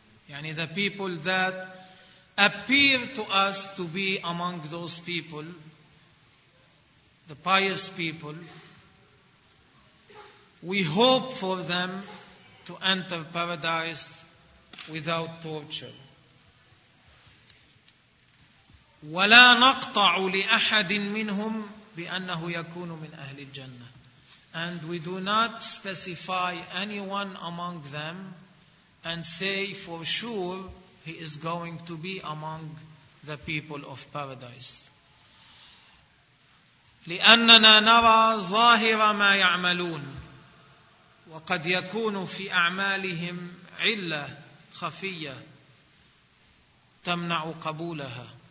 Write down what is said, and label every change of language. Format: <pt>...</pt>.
<en>Yani the people that appear to us to be among those people, the pious people, we hope for them to enter paradise without torture.</en> <ar>ولا نقطع لأحد منهم بأنه يكون من أهل الجنة.</ar> <en>And we do not specify anyone among them and say for sure he is going to be among the people of paradise.</en> <ar>لأننا نرى ظاهر ما يعملون وقد يكون في أعمالهم علة خفية تمنع قبولها.</ar>